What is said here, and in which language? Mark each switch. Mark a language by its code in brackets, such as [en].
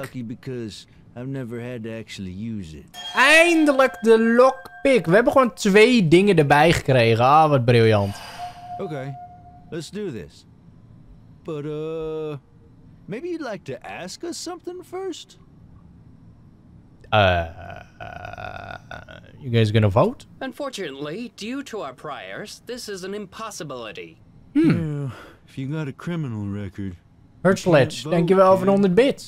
[en] Lucky because I've never had to actually use it. [nl] Eindelijk de lockpick. We hebben gewoon twee dingen erbij gekregen. Ah, wat briljant. [en] Okay. Let's do this. But maybe you'd like to ask us something first? You guys gonna vote? Unfortunately, due to our priors, this is an impossibility. Hmm. If you got a criminal record. [nl] Hurtsledge, dankjewel voor de 100 bits.